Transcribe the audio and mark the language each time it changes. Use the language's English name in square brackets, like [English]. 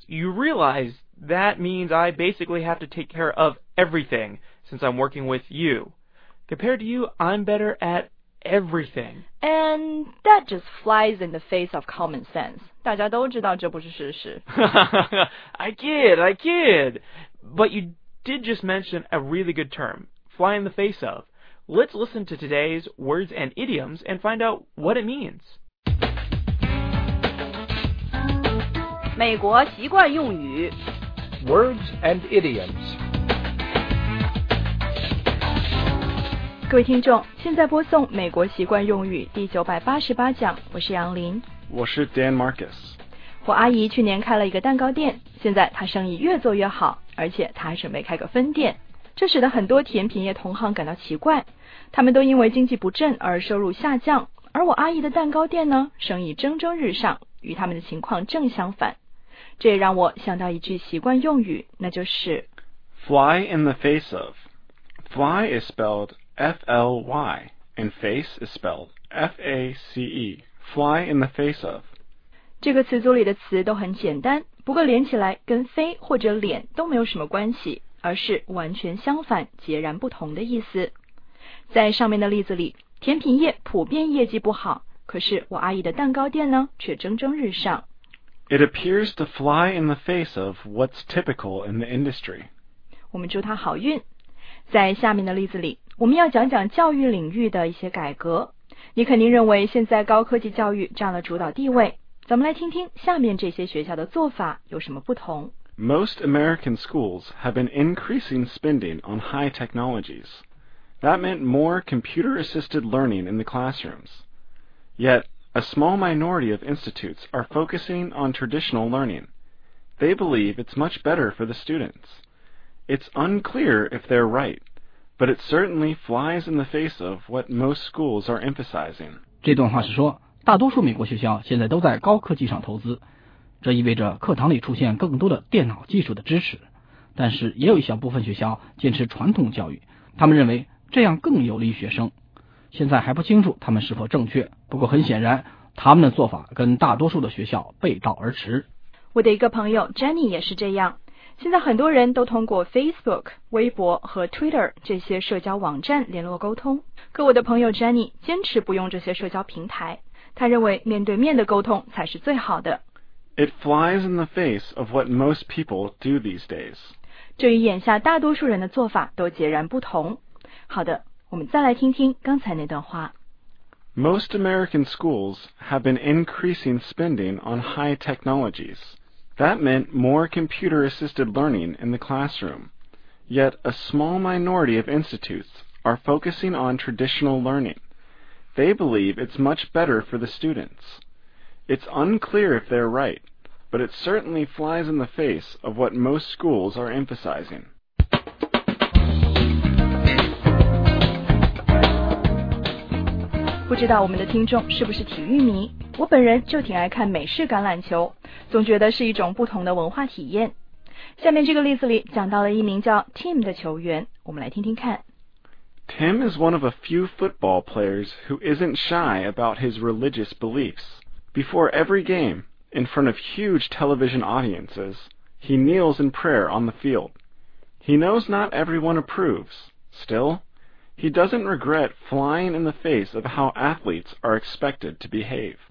[English] You realize that means I basically have to take care of everything since I'm working with you. Compared to you, I'm better at everything. And that just flies in the face of common sense. [Chinese] 大家都知道这不是事实。 [English] I kid. But you did just mention a really good term, fly in the face of. Let's listen to today's words and idioms and find out what it means. [Chinese] 美国习惯用语。 [English] Words and idioms. [Chinese] 各位听众，现在播送美国习惯用语第988讲，我是杨林。我是 Dan Marcus。我阿姨去年开了一个蛋糕店，现在她生意越做越好，而且她还准备开个分店，这使得很多甜品业同行感到奇怪，他们都因为经济不振而收入下降，而我阿姨的蛋糕店呢，生意蒸蒸日上，与他们的情况正相反。这也让我想到一句习惯用语，那就是 [English] Fly in the face of. Fly is spelledFLY, and face is spelled FACE, fly in the face of. [Chinese] 这个词组里的词都很简单，不过连起来跟飞或者脸都没有什么关系，而是完全相反，截然不同的意思。在上面的例子里，甜品业普遍业绩不好，可是我阿姨的蛋糕店呢，却蒸蒸日上。 [English] It appears to fly in the face of what's typical in the industry. [Chinese] 我们祝她好运。在下面的例子里，我们要讲讲教育领域的一些改革。你肯定认为现在高科技教育占了主导地位，咱们来听听下面这些学校的做法有什么不同。 [English] Most American schools have been increasing spending on high technologies. That meant more computer-assisted learning in the classrooms. Yet, a small minority of institutes are focusing on traditional learning. They believe it's much better for the students. It's unclear if they're right. But it certainly flies in the face of what most schools are emphasizing. [Chinese] 这段话是说，大多数美国学校现在都在高科技上投资，这意味着课堂里出现更多的电脑技术的支持。但是也有一小部分学校坚持传统教育，他们认为这样更有利于学生。现在还不清楚他们是否正确，不过很显然，他们的做法跟大多数的学校背道而驰。我的一个朋友 Jenny 也是这样。现在很多人都通过 Facebook, 微博和 Twitter 这些社交网站联络沟通，可我的朋友 Jenny 坚持不用这些社交平台，他认为面对面的沟通才是最好的。 [English] It flies in the face of what most people do these days. [Chinese] 这与眼下大多数人的做法都截然不同。好的，我们再来听听刚才那段话。 [English] Most American schools have been increasing spending on high technologies. That meant more computer-assisted learning in the classroom. Yet, a small minority of institutes are focusing on traditional learning. They believe it's much better for the students. It's unclear if they're right, but it certainly flies in the face of what most schools are emphasizing. [Chinese] 不知道我们的听众是不是体育迷？我本人就挺爱看美式橄榄球，总觉得是一种不同的文化体验。下面这个例子里讲到了一名叫 Tim 的球员，我们来听听看。 [English] Tim is one of a few football players who isn't shy about his religious beliefs. Before every game, in front of huge television audiences, he kneels in prayer on the field. He knows not everyone approves. Still, he doesn't regret flying in the face of how athletes are expected to behave.